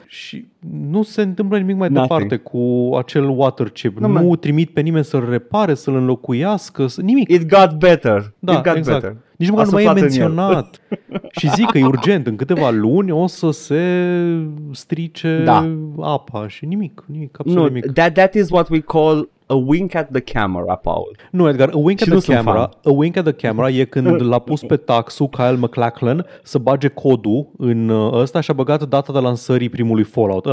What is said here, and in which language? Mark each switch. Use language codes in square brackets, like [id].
[ro] Și nu se întâmplă nimic mai departe cu acel water chip. No, nu trimit pe nimeni să-l repare, să-l înlocuiască, nimic. [en] It got better. Da, it got exact. Better. [ro] Nici măcar nu mai e menționat. Și zic că e urgent, în câteva luni o să se strice, da, apa și nimic, nimic, absolut no, nimic. [en] That is what we call a wink at the camera, Paul. [ro] Nu, Edgar, [en] a wink at the camera [ro] e când l-a pus pe taxul Kyle MacLachlan să bage codul în ăsta și a băgat data de lansării primului Fallout.